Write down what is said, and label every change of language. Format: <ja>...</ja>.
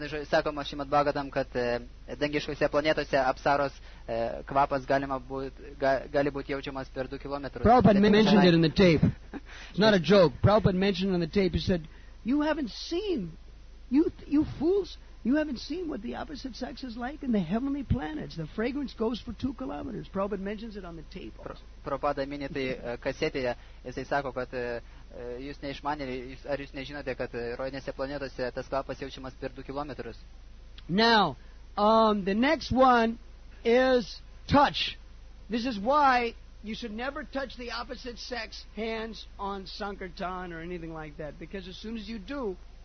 <lt>sakoma Šrimad Bhagavatam, kad dangiškose planetose apsaros kvapas gali būti jaučiamas per 2 kilometrus.</lt> <en>Prabhupada mentioned it in the tape. It's not a joke. Prabhupada mentioned it in the tape. He said, you haven't seen, you fools, you haven't seen what the opposite sex is like in the heavenly planets. The fragrance goes for 2 kilometers. Prabhupada mentions it on the tape.</en> <lt>Prabhupada mini tai kasetėje, jisai sako, kad jūs neišmanėte, ar jūs nežinote, kad rojinėse planetose tas kvapas jaučiamas per 2 kilometrus.</lt> <en>Now, the next one is touch. This is why you should never touch the opposite sex hands on Sankirtan or anything like that, because as soon as you do,</en>